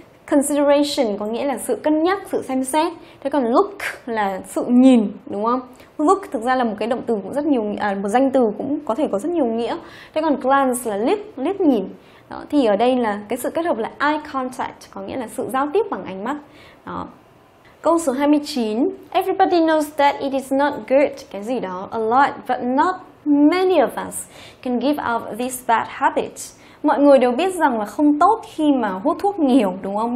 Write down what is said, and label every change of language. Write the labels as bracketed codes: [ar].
[vi] Consideration có nghĩa là sự cân nhắc, sự xem xét. Thế còn look là sự nhìn, đúng không? Look thực ra là một cái động từ cũng rất nhiều, một danh từ cũng có thể có rất nhiều nghĩa. Thế còn glance là liếc, liếc nhìn. Đó, thì ở đây là cái sự kết hợp là eye contact, có nghĩa là sự giao tiếp bằng ánh mắt. Đó. Câu số 29. [en] Everybody knows that it is not good, [vi] cái gì đó, [en] a lot, but not many of us can give up this bad habit. [vi] Mọi người đều biết rằng là không tốt khi mà hút thuốc nhiều, đúng không?